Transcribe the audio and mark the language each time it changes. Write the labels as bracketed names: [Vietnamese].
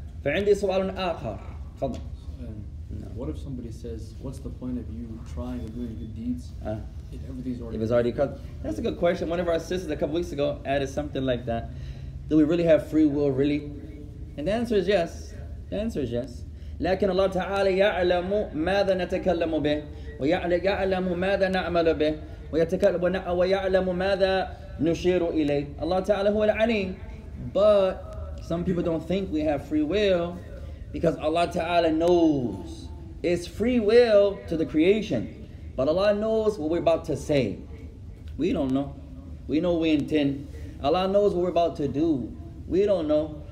[Arabic] فَعِنْدِي سُوَالٌ آخَرٌ. فضل. [English] What if somebody says, what's the point of you trying and doing good deeds? Everything's already. If it's already cut. That's a good question. One of our sisters a couple weeks ago added something like that. Do we really have free will, really? And the answer is yes. The answer is yes. [Arabic] لكن الله تعالى يعلم ماذا نتكلم به ويعلم ماذا نعمل به ويتكلم ويعلم ماذا نشير إليه. [English] Allah Ta'ala [Arabic] هو العليم. [English] But some people don't think we have free will because Allah Ta'ala knows. It's free will to the creation, but Allah knows what we're about to say. We don't know. We know we intend. Allah knows what we're about to do. We don't know.